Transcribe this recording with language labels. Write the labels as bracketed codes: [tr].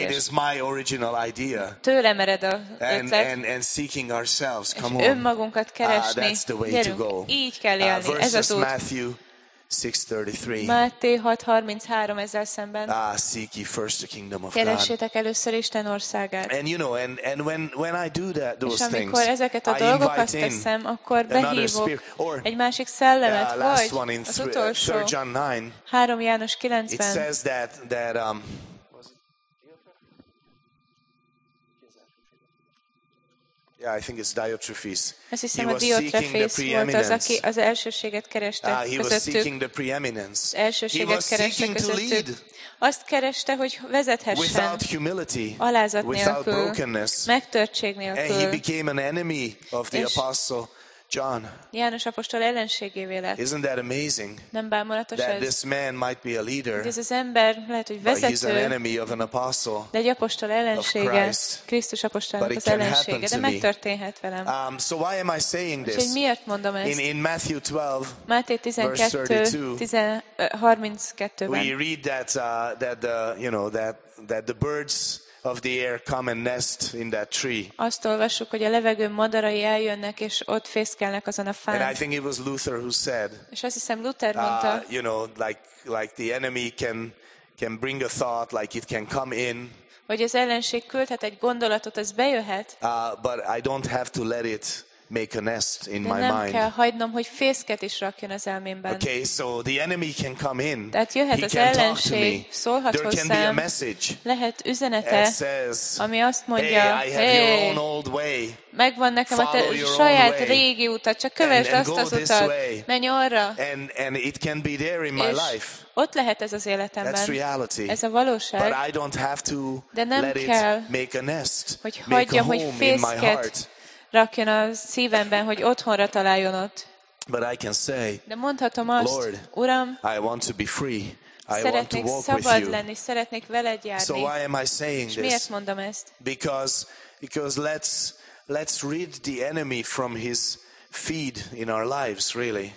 [en] It is my original idea. [hu] Tőlem ered a ötlet. [en] And seeking ourselves. Come [hu] és önmagunkat keresni. [en] That's the way [hu] gyerünk, [en] to go. [hu] Így kell élni. Ez az út. [en] Matthew 6:33. [hu] Máté 6:33 ezzel szemben. [en] Seek ye first the kingdom of [hu] keressétek először Isten országát. [en] And you know, and when I do that, those [hu] és amikor [en] things, [hu] ezeket a dolgokat teszem, akkor behívok egy másik szellemet, vagy [en] last one in [hu] az utolsó. 3 János 9-ben. [en] It says that yeah, I think it's Diotrephes. [hu] Hiszem, [en] he was seeking the preeminence. [hu] Az, aki az elsőséget kereste közöttük. He was seeking the preeminence. Elsőséget kereste közöttük. Azt kereste, hogy vezethessen. [en] Without humility. [hu] Alázat nélkül. [en] Without brokenness. [hu] Megtörtség nélkül. [en] And he became an enemy of the apostle John. [hu] János apostol ellenségévé lett. [en] Isn't that amazing? [hu] Nem bámulatos [en] that [hu] ez? [en] That this man might be a leader. [hu] Ez az ember lehet, hogy vezető. [en] But he's an enemy of an apostle. [hu] De egy apostol ellensége. Krisztus apostolának az ellensége. De megtörténhet velem. [en] So why am I saying this? [hu] És hogy miért mondom ezt? [en] In Matthew 12. [hu] Máté 12. [en] Verse 32. We read that that the birds of the air come and nest in that tree. [hu] Azt olvassuk, hogy a levegő madarai eljönnek és ott fészkelnek azon a fán. [en] And I think it was Luther who said. [hu] És azt hiszem Luther mondta. [en] You know, like the enemy can can bring a thought, like it can come in. [hu] Hogy az ellenség küldhet egy gondolatot, az bejöhet. [en] But I don't have to let it make a nest in my mind. [hu] De nem kell hagynom, hogy fészket is rakjon az elmémben. [en] Okay, so the enemy can come in. [hu] Tehát jöhet az ellenség, szólhat hozzám. [en] There can be a message. [hu] Lehet üzenete, [en] says, [hu] ami azt mondja, [en] hey, [hu] megvan nekem a te saját régi utat, csak kövesd azt az utat, menj arra. [en] And it can be there in my life. [hu] Ott lehet ez az életemben. [en] That's reality. [hu] Ez a valóság. [en] But I don't have to make a nest, [hu] hogy hagyjam, hogy fészket rakjon a szívemben, hogy otthonra találjon ott. [en] But I can say, [hu] de mondhatom azt, [en] Lord, [hu] Uram, [en] I want to be free. I [hu] szeretnék [en] want to walk [hu] szabad [en] with you. [hu] Lenni, szeretnék veled járni. [en] So why am I saying this? [hu] Miért mondom ezt? [en] Because let's rid the enemy from his feed in our lives, really.